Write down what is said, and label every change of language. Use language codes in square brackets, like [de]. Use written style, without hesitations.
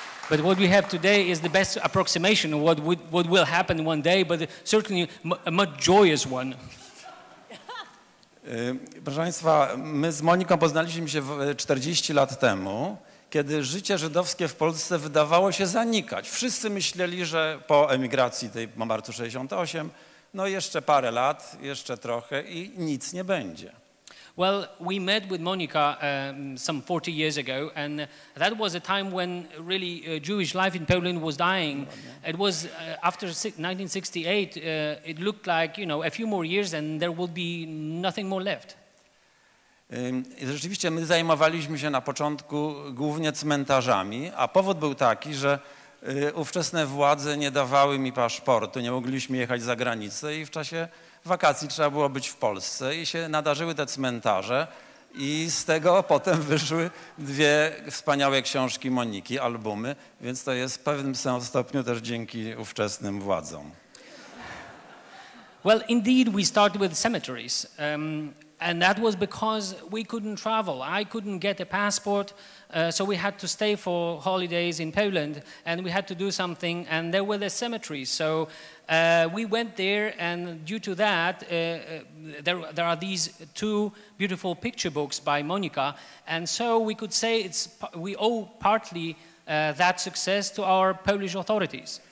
[en] But what we have today is the best approximation of what will happen one day, but certainly a much joyous one. [pl] Proszę państwa, my z Moniką poznaliśmy się 40 lat temu, kiedy życie żydowskie w Polsce wydawało się zanikać. Wszyscy myśleli, że po emigracji tej po marcu 68, no jeszcze parę lat, jeszcze trochę i nic nie będzie. [en] Well, we met with Monika some 40 years ago, and that was a time when really Jewish life in Poland was dying. It was after 1968, it looked like, you know, a few more years and there would be nothing more left. [pl] Rzeczywiście my zajmowaliśmy się na początku głównie cmentarzami, a powód był taki, że ówczesne władze nie dawały mi paszportu, nie mogliśmy jechać za granicę i w czasie wakacji trzeba było być w Polsce i się nadarzyły te cmentarze i z tego potem wyszły dwie wspaniałe książki Moniki, albumy, więc to jest w pewnym stopniu też dzięki ówczesnym władzom. [en] Well, indeed we started with cemeteries and that was because we couldn't travel. I couldn't get a passport, so we had to stay for holidays in Poland and we had to do something and there were the cemeteries, so we went there, and due to that, there are these two beautiful picture books by Monika, and so we could say we owe partly that success to our Polish authorities.